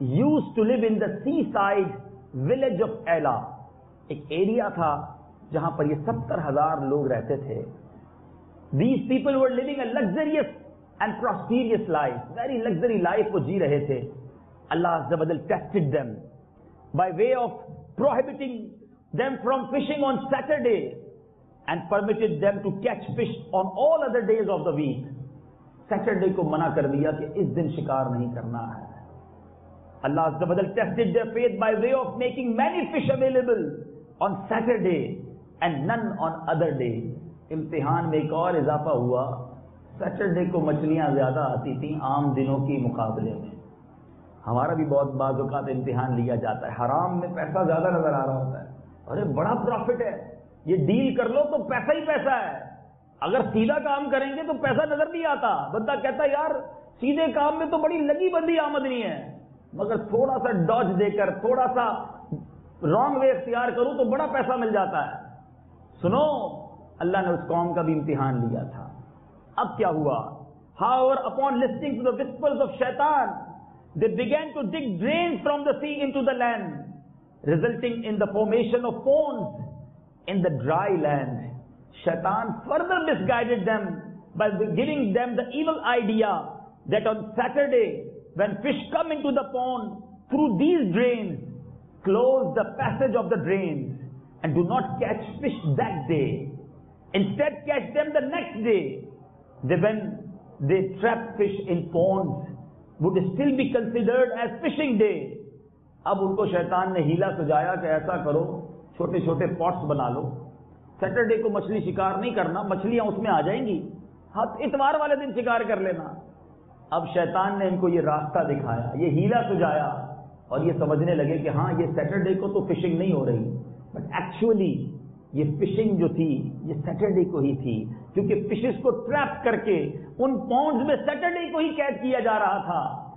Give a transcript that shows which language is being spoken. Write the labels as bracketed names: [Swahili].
[English] used to live in the seaside village of Ayla. [Urdu] ایک area تھا جہاں پر یہ 70,000 لوگ رہتے تھے. [English] These people were living a luxurious and prosperous life. Very luxury life [Urdu] وہ جی رہے تھے. [English] Allah عز و جل tested them by way of prohibiting them from fishing on Saturday and permitted them to catch fish on all other days of the week. [Urdu] Saturday کو منع کر دیا کہ اس دن شکار نہیں کرنا ہے. [English] Allah عز و جل tested their faith by way of making many fish available on Saturday and none on other day. [Urdu] امتحان میں ایک اور اضافہ ہوا, سیٹرڈے کو مچھلیاں زیادہ آتی تھیں عام دنوں کے مقابلے میں. ہمارا بھی بہت بعض اوقات امتحان لیا جاتا ہے, حرام میں پیسہ زیادہ نظر آ رہا ہوتا ہے, ارے بڑا پروفٹ ہے یہ ڈیل کر لو تو پیسہ ہی پیسہ ہے, اگر سیدھا کام کریں گے تو پیسہ نظر نہیں آتا. بندہ کہتا ہے یار سیدھے کام میں تو بڑی لگی بندی آمدنی ہے, مگر تھوڑا سا ڈاج دے کر تھوڑا سا رانگ وے اختیار کروں تو بڑا پیسہ مل جاتا ہے. سنو, اللہ نے اس قوم کا بھی امتحان لیا تھا. اب کیا ہوا, [English] however upon listening to the whispers of shaitan they began to dig drains from the sea into the land resulting in the formation of ponds in the dry land. Shaitan further misguided them by giving them the evil idea that on Saturday when fish come into the pond through these drains close the passage of the drains and do not catch fish that day. Instead, catch them the next day. When they trap fish in ponds, would still be considered as fishing day. [Urdu] اب ان کو شیطان نے ہیلا سجایا کہ ایسا کرو, چھوٹے چھوٹے پاٹس بنا لو, سیٹرڈے کو مچھلی شکار نہیں کرنا, مچھلیاں اس میں آ جائیں گی, ہاں اتوار والے دن شکار کر لینا. اب شیطان نے ان کو یہ راستہ دکھایا, یہ ہیلا سجایا, اور یہ سمجھنے لگے کہ ہاں یہ سیٹرڈے کو تو فشنگ نہیں ہو رہی, بٹ ایکچولی یہ فشنگ جو تھی یہ سیٹرڈے کو ہی تھی, کیونکہ فشز کو ٹریپ کر کے ان پونڈز میں سیٹرڈے کو ہی قید کیا جا رہا تھا.